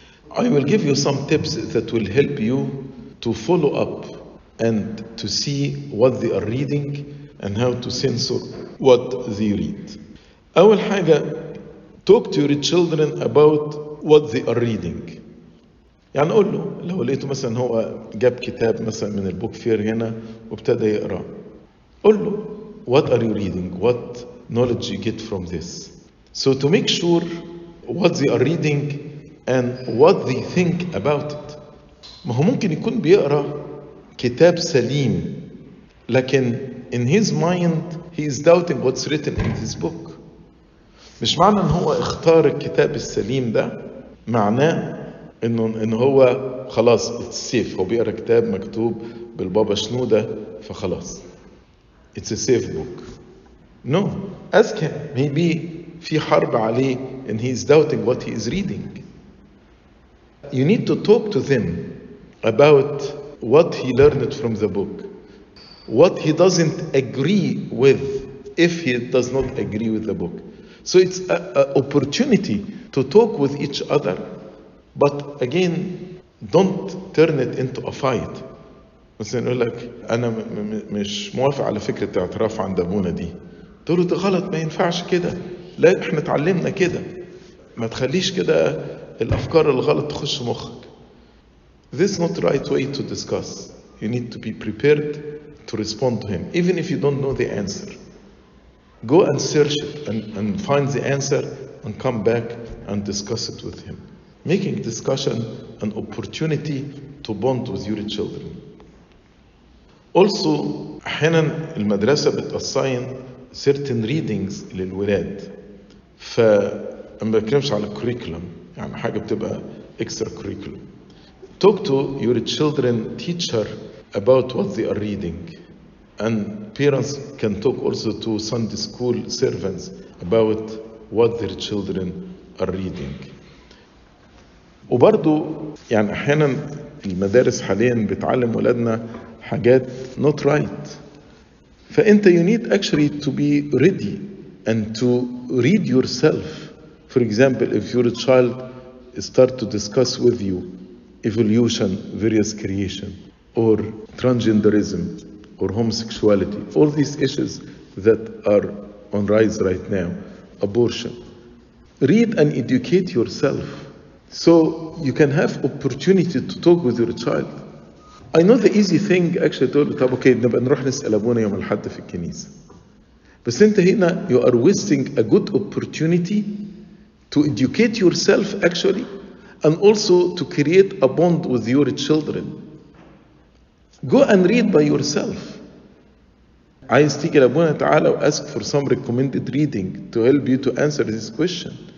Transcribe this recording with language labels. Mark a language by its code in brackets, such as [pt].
[en] I will give you some tips that will help you to follow up and to see what they are reading and how to censor what they read. [ar] أول حاجة, [en] talk to your children about what they are reading. [ar] يعني قول له, لو لقيته مثلا هو جاب كتاب مثلا من البوك فير هنا وابتدى يقرأ, قول له [en] what are you reading, what knowledge you get from this. So to make sure what they are reading and what they think about it. [ar] ما هو ممكن يكون بيقرأ كتاب سليم لكن [en] in his mind he is doubting what's written in this book. [ar] مش معنى ان هو اختار الكتاب السليم ده معناه إن هو خلاص [en] it's safe, [ar] هو بيقرأ كتاب مكتوب بالبابا شنودة فخلاص [en] it's a safe book. No, ask him, maybe [ar] في حرب عليه [en] and he is doubting what he is reading. You need to talk to them about what he learned from the book, what he doesn't agree with, if he does not agree with the book. So it's an opportunity to talk with each other. But again, don't turn it into a fight. [ar] مثلا يقول لك أنا مش موافق على فكرة اعتراف عند أبونا دي. تقول له غلط, ما ينفعش كده. لا, احنا تعلمنا كده. ما تخليش كده الأفكار الغلط تخش مخك. [en] This is not the right way to discuss. You need to be prepared to respond to him. Even if you don't know the answer. Go and search it and find the answer and come back and discuss it with him. Making discussion an opportunity to bond with your children. [ar] Also, أحيانا المدرسة بتأساين [en] certain readings [ar] للولاد. فأنا بكلمش على curriculum, يعني حاجة بتبقى extra curriculum. [en] Talk to your children teacher about what they are reading. And parents can talk also to Sunday school servants about what their children are reading. [ar] وبرضو يعني أحيانا المدارس حاليا بتعلم ولادنا حاجات [en] not right. فأنت you need actually to be ready and to read yourself. For example, if your child start to discuss with you evolution, various creation, or transgenderism, or homosexuality, all these issues that are on rise right now, abortion. Read and educate yourself. So you can have opportunity to talk with your child. I know the easy thing actually to talk, okay, [ar] نبقى نروح نسأل أبونا يوم الحد في الكنيسة. بس انت هنا, [en] you are wasting a good opportunity to educate yourself actually and also to create a bond with your children. Go and read by yourself. [ar] عايز تيجي لأبونا تعالى [en] و ask for some recommended reading to help you to answer this question.